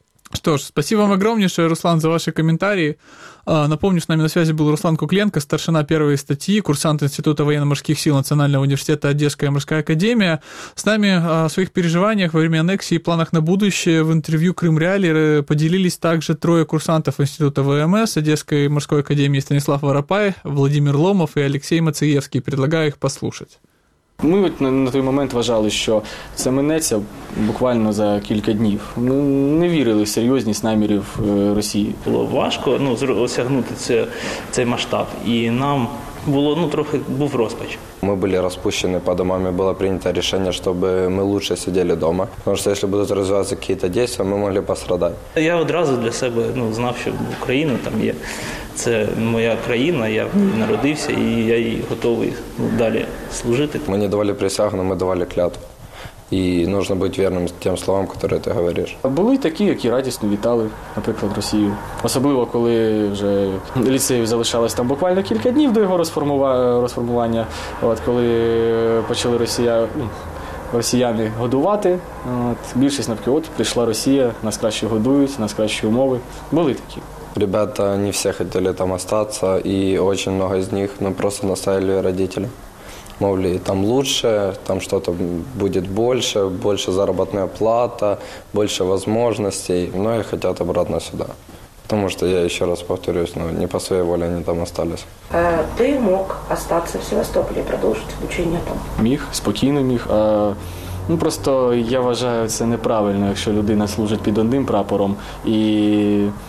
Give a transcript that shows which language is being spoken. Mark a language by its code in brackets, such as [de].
[ru] Что ж, спасибо вам огромнейшее, Руслан, за ваши комментарии. Напомню, с нами на связи был Руслан Кукленко, старшина первой статьи, курсант Института военно-морских сил Национального университета Одесская морская академия. С нами о своих переживаниях во время аннексии и планах на будущее в интервью «Крым Реали» поделились также трое курсантов Института ВМС Одесской морской академии Станислав Воропай, Владимир Ломов и Алексей Мацеевский. Предлагаю их послушать. [uk] Ми на той момент вважали, що це минеться буквально за кілька днів. Ми не вірили в серйозність намірів Росії. Було важко, ну, осягнути цей масштаб. І нам було, ну, трохи був розпач. Ми були розпущені по домам, було прийнято рішення, щоб ми краще сиділи вдома. Тому що якщо будуть розвиватися якісь дії, ми могли пострадати. Я одразу для себе, ну, знав, що Україна там є. Це моя країна, я народився, і я їй готовий далі служити. Ми не давали присягу, але ми давали клятву. І потрібно бути вірним тим словам, які ти говориш. Були такі, які радісно вітали, наприклад, Росію. Особливо, коли вже ліцею залишалось там буквально кілька днів до його розформування. От, коли почали росіяни годувати, от, більшість навки, от прийшла Росія, нас краще годують, нас кращі умови. Були такі. [ru] Ребята не все хотели там остаться, и очень много из них, ну, просто наставили родители. Мовли, там лучше, там что-то будет больше, больше заработная плата, больше возможностей, но и хотят обратно сюда. Потому что, я еще раз повторюсь, ну, не по своей воле они там остались. Ты мог остаться в Севастополе и продолжить обучение там? [uk] Міг, спокійно міг. Ну, просто я вважаю, це неправильно, якщо людина служить під одним прапором і...